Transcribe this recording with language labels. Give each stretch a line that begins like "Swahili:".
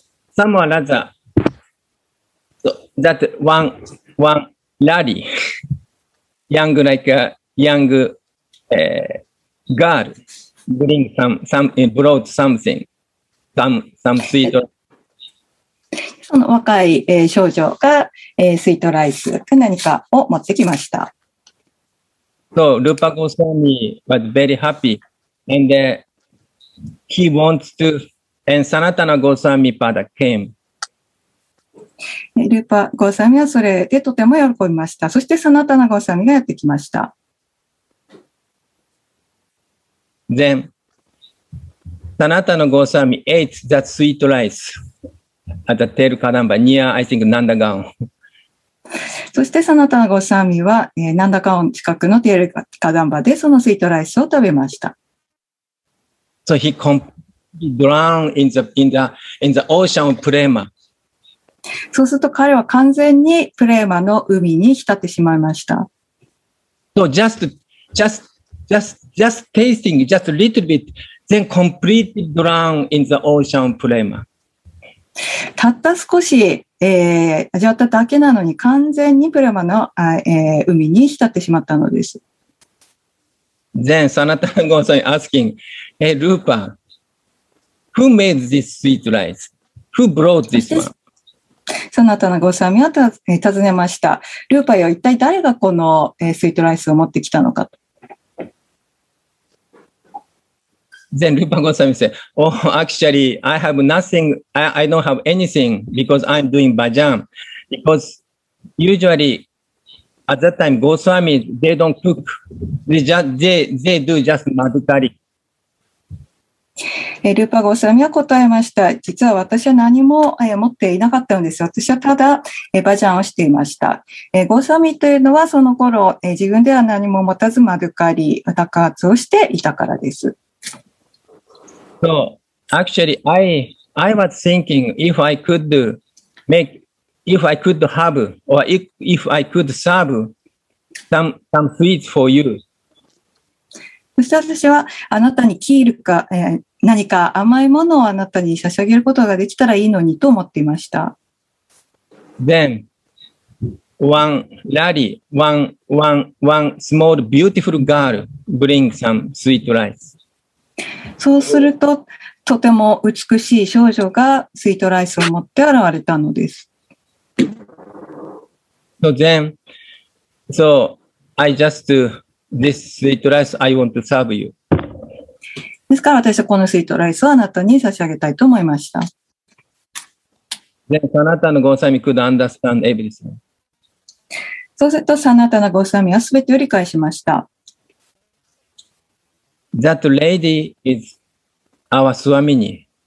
English: サモアラザ、that one lady, young like a young、girl, bring some brought something, some sweet.
Japanese: その若い、少女が、スイートライス、何かを持ってきました。
English: So, ルパゴスワミ was very happy and、He wants to, and Sanatana Goswami Pada came.
Japanese: ルーパー・ゴーサミはそれでとても喜びました。そしてサナタナ・ゴーサミがやってきました。
English: Then, Sanatana Goswami ate that sweet rice at the Tel Kadamba near, I think, Nandagaon.
Japanese: そしてサナタナ・ゴーサミは、Nandagaon 近くのテルカダンバでそのスイートライスを食べました。
English: So he completely drowned in the ocean of prema.
Japanese: そうすると彼は完全にプレーマの海に浸ってしまいました。
English: So just tasting just a little bit, then completely drowned in the ocean of prema.
Japanese: たった少し、味わっただけなのに完全にプレーマの、海に浸ってしまったのです。
English: Then Sanatana Goswami asking, Hey, Rupa, Who made this sweet rice? Who brought this one?
Japanese: そなたのご賛美を尋ねました。ルーパイは一体誰がこの、スイートライスを持ってきたのかと。
English: Then ルーパーご賛美 said, Oh, actually, I have nothing, I don't have anything because I'm doing bhajan. Because usually,At that time, Goswami, they don't cook. They do just madhukari.
Japanese: ルーパゴスワミは答えました。実は私は何も持っていなかったんです。私はただバジャンをしていました。ゴスワミというのはその頃、自分では何も持たずmadhukari、タカツをしていたからです。
English: So, actually, I was thinking if I could make,If I could have, or if I could serve some sweets for you.
Japanese: そして私はあなたにキールか、何か甘いものをあなたに差し上げることができたらいいのにと思っていました。
English: Then, one lady, one small beautiful girl bring some sweet rice.
Japanese: そうすると、とても美しい少女がスイートライスを持って現れたのです。
English: So then, so I just do this sweet rice. I want to serve you.
Japanese: ですから私はこのスイートライスをあなたに差し上げたいと思いました。
English: Then, Sanatana のゴーサミ could understand everything.
Japanese: そうすると、Sanatana のゴーサミはすべてを理解しました。
English: That lady is our Swamini.